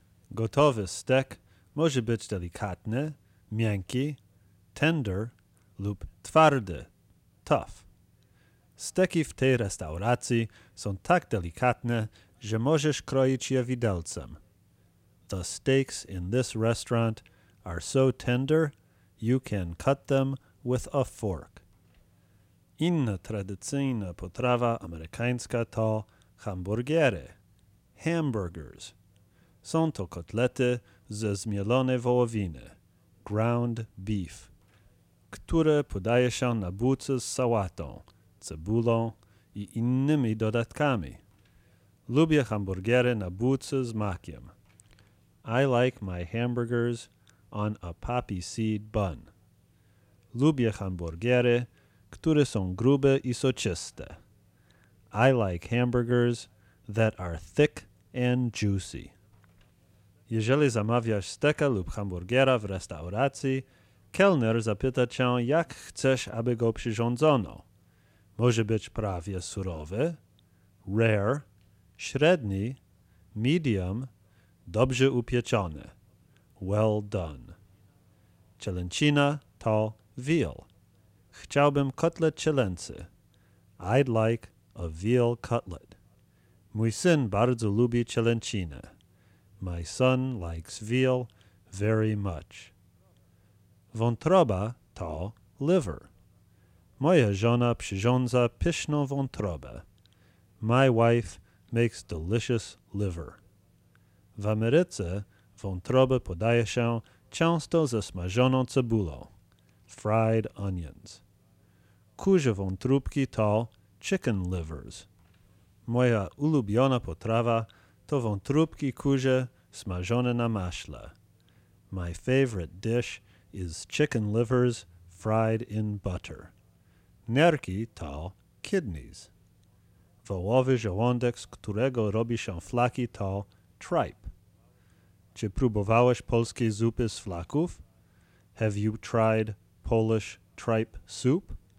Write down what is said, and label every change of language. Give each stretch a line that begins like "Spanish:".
Polish: Gotowy steak może być delikatny, miękki, tender lub twardy, tough. Steki w tej restauracji są tak delikatne, że możesz kroić je widelcem.
English: The steaks in this restaurant are so tender, you can cut them with a fork.
Polish: Inna tradycyjna potrawa amerykańska to hamburgery, hamburgers. Są to kotlety ze zmielonej wołowiny, ground beef, które podaje się na buce z sałatą, cebulą i innymi dodatkami. Lubię hamburgery na buce z makiem.
English: I like my hamburgers on a poppy seed bun.
Polish: Lubię hamburgery, które są grube i soczyste.
English: I like hamburgers that are thick and juicy.
Polish: Jeżeli zamawiasz steka lub hamburgera w restauracji, kelner zapyta cię, jak chcesz, aby go przyrządzono. Może być prawie surowy, rare, średni, medium, dobrze upieczony, well done. Cielęcina to veal. Chciałbym kotlet cielęcy.
English: I'd like a veal cutlet.
Polish: Mój syn bardzo lubi cielęcinę.
English: My son likes veal very much.
Polish: Wątroba to liver. Moja żona przyrządza pyszną wątrobę.
English: My wife makes delicious liver.
Polish: W Ameryce wątrobę podaje się często ze smażoną cebulą. Fried onions. Kurze wątróbki to chicken livers. Moja ulubiona potrawa to wątróbki kurze smażone na maśle.
English: My favorite dish is chicken livers fried in butter.
Polish: Nerki to kidneys. Wołowy żołądek, z którego robi się flaki, to tripe. Czy próbowałeś polskiej zupy z flaków?
English: Have you tried Polish tripe soup?